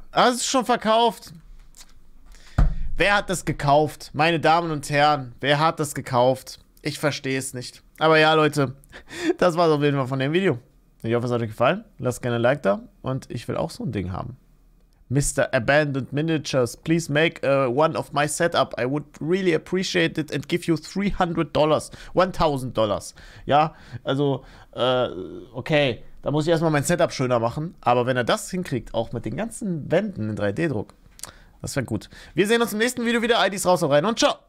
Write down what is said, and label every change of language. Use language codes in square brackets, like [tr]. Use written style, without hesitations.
[de] Es ist schon verkauft. Wer hat das gekauft? Meine Damen und Herren, wer hat das gekauft? Ich verstehe es nicht. Aber ja, Leute, das war es auf jeden Fall von dem Video. Ich hoffe, es hat euch gefallen. Lasst gerne ein Like da und ich will auch so ein Ding haben. [en] Mr. Abandoned Miniatures, please make one of my setup. I would really appreciate it and give you $300. $1,000. [de] Ja, also, okay, da muss ich erstmal mein Setup schöner machen. Aber wenn er das hinkriegt, auch mit den ganzen Wänden in 3D-Druck, das wäre gut. Wir sehen uns im nächsten Video wieder. IDs raus und rein und ciao!